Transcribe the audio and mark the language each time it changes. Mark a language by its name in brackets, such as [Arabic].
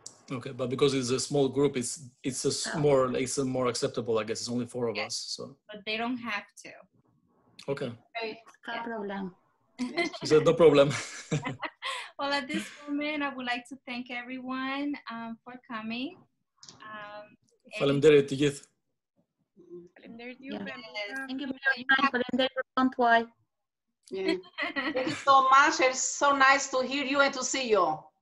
[English] Okay, but because it's a small group, it's more acceptable, I guess. It's only four of us. So. But they don't have to. Okay. No problem. She said, no problem. Well, at this moment, I would like to thank everyone for coming. [Albanian] Faleminderit të gjithë. Faleminderit ju. [English] Thank you very much. [Albanian] Faleminderit për të vënë tuaj. [English] Thank you so much. It's so nice to hear you and to see you.